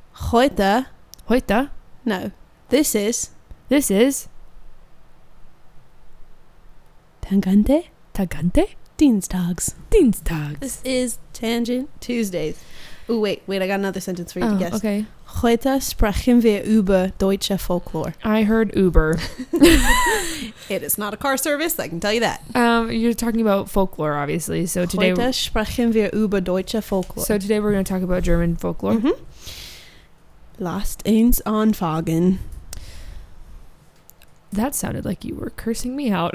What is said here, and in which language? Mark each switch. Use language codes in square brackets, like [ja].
[de] Heute. Heute. [en] No. This is? This is? [de] Tangente? Tangente? Dienstags. Dienstags. [en] This is Tangent Tuesdays. Oh, wait, I got another sentence for you to guess. Okay. [de] Heute sprechen wir über deutsche Folklore. [en] I heard Uber. It is not a car service, I can tell you that. You're talking about folklore, obviously. So today, [de] heute sprechen wir über deutsche Folklore. [en] So today we're going to talk about German folklore. [de] Lasst uns anfangen. [en] That sounded like you were cursing me out.